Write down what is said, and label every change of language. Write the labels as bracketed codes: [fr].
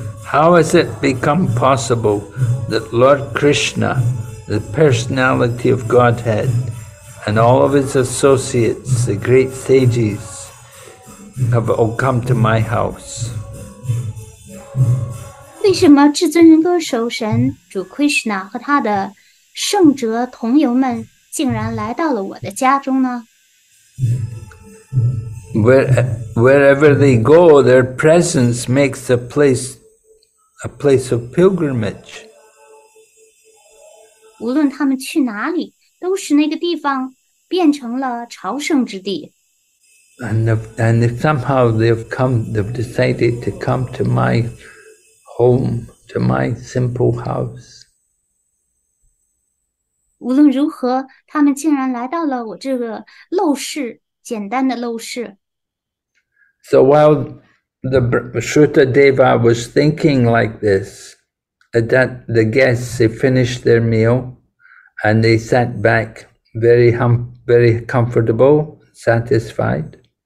[en] How has it become possible that Lord Krishna, the personality of Godhead, and all of his associates, the great sages, have all come to my house? [zh] 为什么至尊人歌手神主 Krishna 和他的圣哲同游们竟然来到了我的家中呢？ [en] Wherever they go, their presence makes a place of pilgrimage. [zh] 无论他们去哪里，都使那个地方 变成了朝圣之地。 [en] And somehow they've decided to come to my home, to my simple house. [zh] 无论如何，他们竟然来到了我这个陋室，简单的陋室。 [en] So while the Shruta Deva was thinking like this, that the guests, they finished their meal and they sat back very comfortable, satisfied.